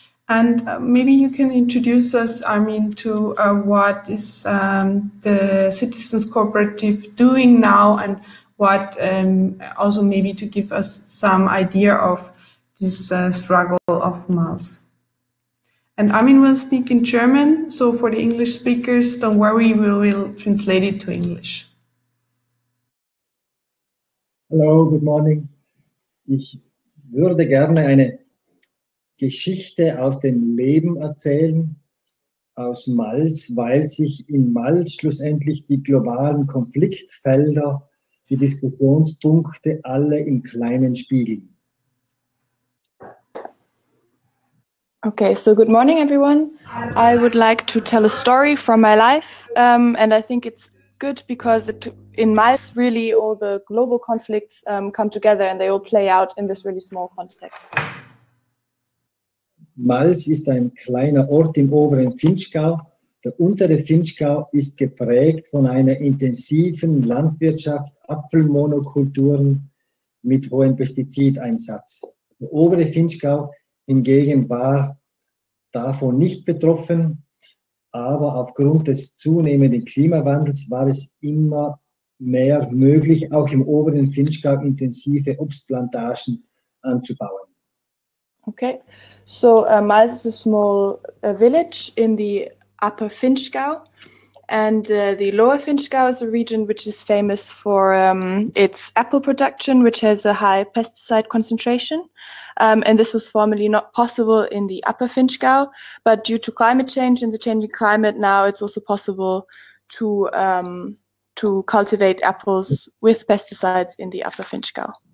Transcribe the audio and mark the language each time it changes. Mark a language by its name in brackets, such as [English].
[English] And maybe you can introduce us, I mean, to what is the Citizens Cooperative doing now, and what also maybe to give us some idea of this struggle of Mals. And Armin will speak in German, so for the English speakers, don't worry, we will translate it to English. Hello, good morning. [German] Ich würde gerne eine Geschichte aus dem Leben erzählen, aus Mals, weil sich in Mals schlussendlich die globalen Konfliktfelder, die Diskussionspunkte alle im Kleinen spiegeln. [English] Okay, so good morning everyone. I would like to tell a story from my life, and I think it's good because it, in Mals really all the global conflicts come together and they all play out in this really small context. [German] Mals ist ein kleiner Ort im oberen Finchgau. Der untere Finchgau ist geprägt von einer intensiven Landwirtschaft, Apfelmonokulturen mit hohem Pestizideinsatz. Der obere Finchgau hingegen war davon nicht betroffen, aber aufgrund des zunehmenden Klimawandels war es immer mehr möglich, auch im oberen Finchgau intensive Obstplantagen anzubauen. [English] Okay, so Mals is a small village in the upper Finchgau, and the lower Finchgau is a region which is famous for its apple production, which has a high pesticide concentration. And this was formerly not possible in the upper Finchgau, but due to climate change and the changing climate, now it's also possible to cultivate apples with pesticides in the upper Finchgau.